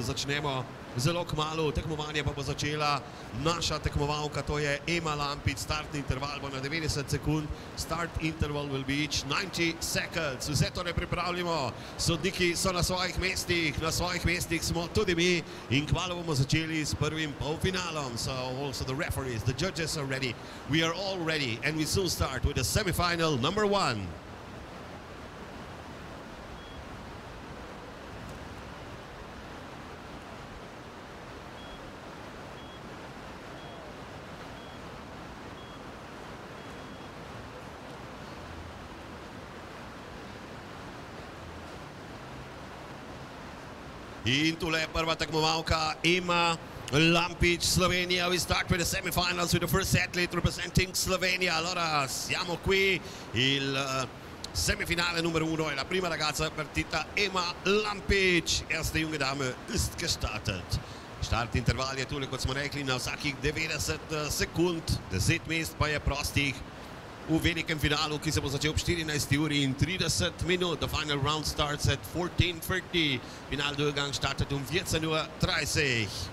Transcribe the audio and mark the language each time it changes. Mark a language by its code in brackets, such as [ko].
[sl] Začnemo zelo kmalu, tekmovanje pa bo začela naša tekmovalka, to je Ema Lampic. Startni interval bo na 90 sekund, [en] start interval will be each 90 seconds. [sl] Vse to ne pripravljamo, sodniki so na svojih mestih smo tudi mi in kmalu bomo začeli s prvim polfinalom. [en] So also the referees, the judges are ready, we are all ready and we soon start with the semifinal number one. [sl] In tule prva tekmovalka Ema Lampic, Slovenija. [en] We start with the semifinals with the first athlete representing Slovenia. [it] Allora, siamo qui, il semifinale numero uno e la prima ragazza partita, Ema Lampic. [de] Erste junge Dame ist gestartet. [sl] Start interval je tule, kot smo rekli, na vsakih 90 sekund. 10 mest pa je prostih v velikem finalu, ki se bo začel ob 14 uri in 30 minut. [en] The final round starts at 14:30. [de] Final durchgang startet 14:30.